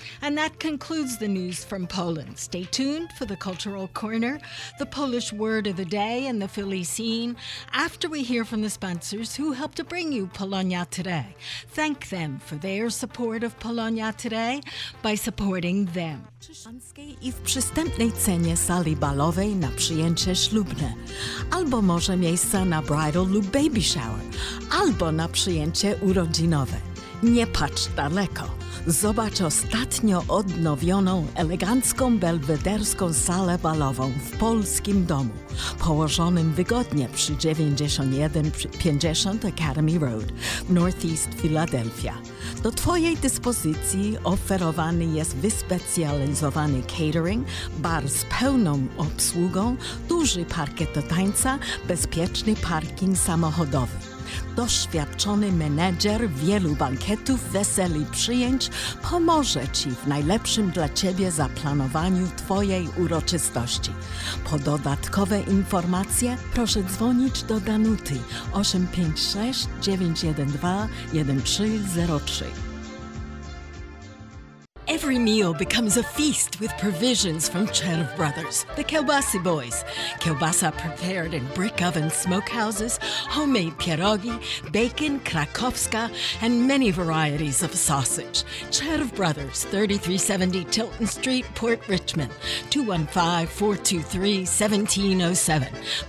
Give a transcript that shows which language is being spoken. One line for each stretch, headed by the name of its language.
English: And that concludes the news from Poland. Stay tuned for the Cultural Corner, the Polish Word of the Day, and the Philly Scene, after we hear from the sponsors who help to bring you Polonia Today. Thank them for their support of Polonia Today by supporting them.
Polish: I w przystępnej cenie sali balowej na przyjęcie ślubne, albo może miejsca na bridal lub baby shower, albo na przyjęcie urodzinowe. Nie patrz daleko. Zobacz ostatnio odnowioną, elegancką, belwederską salę balową w polskim domu, położonym wygodnie przy 9150 Academy Road, Northeast Philadelphia. Do Twojej dyspozycji oferowany jest wyspecjalizowany catering, bar z pełną obsługą, duży parkiet do tańca, bezpieczny parking samochodowy. Doświadczony menedżer wielu bankietów, wesel i przyjęć pomoże Ci w najlepszym dla Ciebie zaplanowaniu Twojej uroczystości. Po dodatkowe informacje proszę dzwonić do Danuty 856-912-1303.
English: Every meal becomes a feast with provisions from Czerw Brothers, the Kielbasy Boys. Kielbasa prepared in brick oven smokehouses, homemade pierogi, bacon, krakowska, and many varieties of sausage. Czerw Brothers, 3370 Tilton Street, Port Richmond, 215-423-1707.